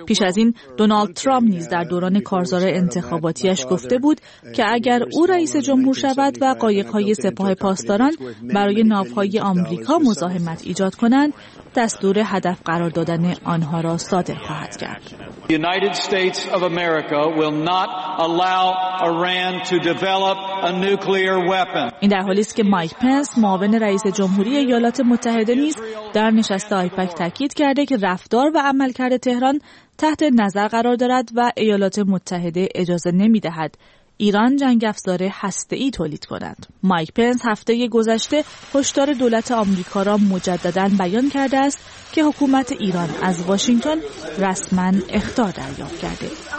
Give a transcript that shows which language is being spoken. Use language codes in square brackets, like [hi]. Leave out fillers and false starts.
[fa] پیش از این دونالد ترامپ نیز در دوران کارزار انتخاباتیش گفته بود که اگر او رئیس جمهور شود و قایق‌های سپاه پاسداران برای ناوهای آمریکا مزاحمت ایجاد کنند، دستور هدف قرار دادن آنها را صادر خواهد کرد. [en] United States of America will not allow Iran to develop a nuclear weapon. [fa] این در حالی است که مایک پنس معاون رئیس جمهوری ایالات متحده نیز در نشست آیپک تاکید کرده که رفتار و عملکرد تهران تحت نظر قرار دارد و ایالات متحده اجازه نمی‌دهد ایران جنگ افزار هسته‌ای تولید کند. مایک پنس هفته گذشته هشدار دولت آمریکا را مجدداً بیان کرده است که حکومت ایران از واشنگتن رسماً اخطار دریافت کرده.